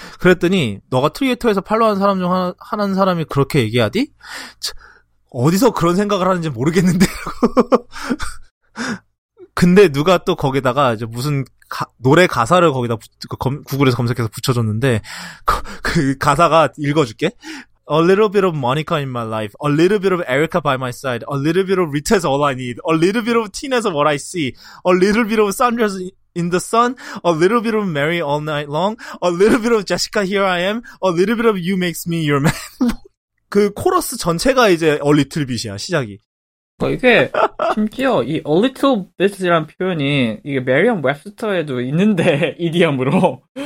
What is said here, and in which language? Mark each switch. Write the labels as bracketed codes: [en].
[ko] 그랬더니 너가 트위터에서 팔로우한 사람 중 하는 사람이 그렇게 얘기하디? 어디서 그런 생각을 하는지 모르겠는데. 근데 누가 또 거기다가 이제 무슨 노래 가사를 거기다 구글에서 검색해서 붙여줬는데 그 가사가 읽어줄게. [en] A little bit of Monica in my life. A little bit of Erica by my side. A little bit of Rita is all I need. A little bit of Tina is what I see. A little bit of Sandra's in the sun. A little bit of Mary all night long. A little bit of Jessica here I am. A little bit of you makes me your man. [ko] 그 코러스 전체가 이제 [en] A little bit [ko] 이야 시작이. 이게 심지어 이 [en] A little bit [ko] 이라는 표현이 이게 Merriam-Webster에도 있는데 이디엄으로.